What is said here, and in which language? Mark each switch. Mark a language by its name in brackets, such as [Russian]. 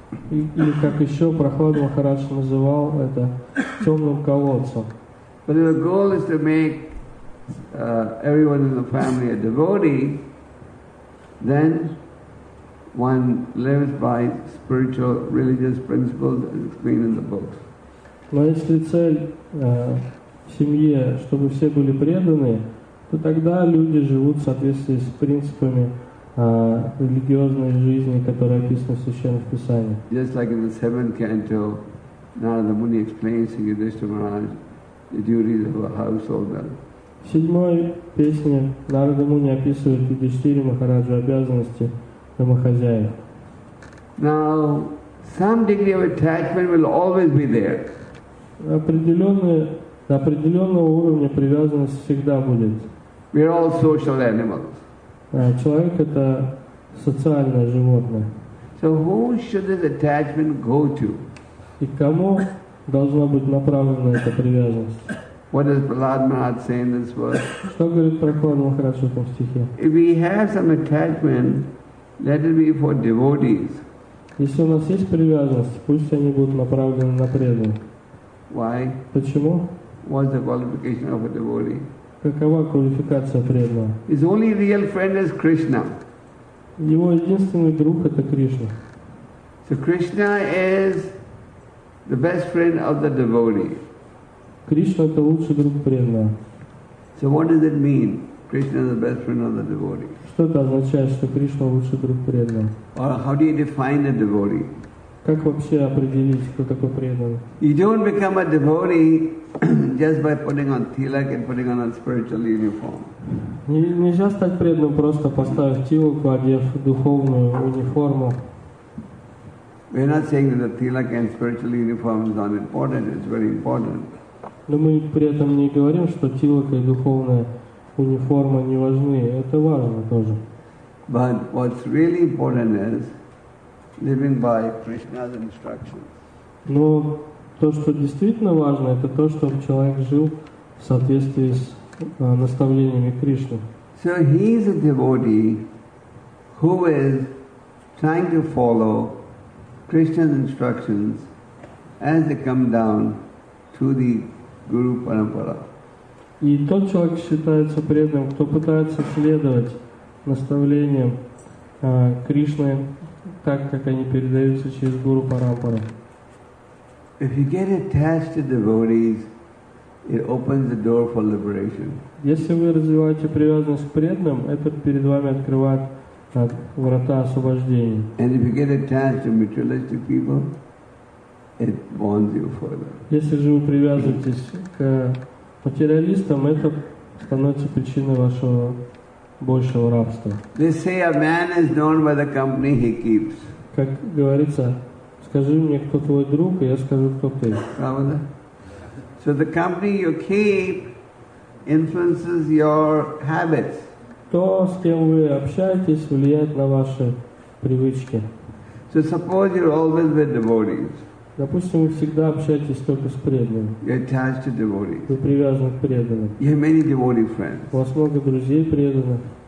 [Russian] Или как еще Прохлад Махарадж называл это темным колодцем. [English] But if the goal is to make everyone in the family a devotee, then one lives by spiritual religious principles as explained in the books. [Russian] Но если цель в семье, чтобы все были преданы, то тогда люди живут в соответствии с принципами религиозной жизни, которая описана в Священном Писании. [English] Just like in the seventh canto, Narada Muni explains to Yudhishthira Maharaj the duties of a householder. [Russian] В седьмой песне Нарада Муни описывает Юдхиштхире Махараджу обязанности домохозяев. [English] Now, some degree of attachment will always be there. [Russian] На определенного уровня привязанность всегда будет. [English] We are all social animals. [Russian] Человек — это социальное животное. [English] So who should this attachment go to? [Russian] И кому должна быть направлена эта привязанность? [English] What does Prahlad Maharaj say in this verse? [Russian] Что говорит Прохлад Махарадж в этом стихе? [English] If we have some attachment, let it be for devotees. [Russian] Если у нас есть привязанность, пусть они будут направлены на преданных. [English] Why? [Russian] Почему? [English] What's the qualification of a devotee? [Russian] Какова квалификация преданного? [English] His only real friend is Krishna. [Russian] Его единственный друг это Кришна. [English] So Krishna is the best friend of the devotee. [Russian] Кришна это лучший друг преданного. [English] So what does it mean? Krishna is the best friend of the devotee. [Russian] Что это означает, что Кришна лучший друг преданного? [English] Or how do you define a devotee? [Russian] Как вообще определить, кто такой преданный? [English] You don't become a devotee just by putting on tilak and putting on a spiritual uniform. [Russian] Нельзя стать преданным просто поставив тилак, одев духовную униформу. [English] We're not saying that the tilak and spiritual uniform is unimportant. It's very important. [Russian] Но мы при этом не говорим, что тилак и духовная униформа не важны. Это важно тоже. [English] But what's really important is living by Krishna's instructions. [Russian] Но то, что действительно важно, это то, чтобы человек жил в соответствии с наставлениями Кришны. [English] So he is a devotee who is trying to follow Krishna's instructions as they come down to the Guru Parampara. [Russian] И тот человек считается преданным, кто пытается следовать наставлениям Кришны так, как они передаются через Гуру Парампару. [English] If you get attached to devotees, it opens the door for liberation. [Russian] Если вы развиваете привязанность к преданным, это перед вами открывает врата освобождения. [English] And if you get attached to materialistic people, it bonds you further. [Russian] Если же вы привязываетесь к материалистам, это становится причиной вашего большего рабства. [English] They say a man is known by the company he keeps. [Russian] Как говорится, скажи мне, кто твой друг, и я скажу, кто ты. Правда? [English] So the company you keep influences your habits. [Russian] То, с кем вы общаетесь, влияет на ваши привычки. [English] So suppose you're always with devotees. [Russian] Допустим, вы всегда общаетесь только с преданными. [English] You're attached to devotees. [Russian] Вы привязаны к преданным. [English] You have many devotee friends. [Russian] У вас много друзей преданных.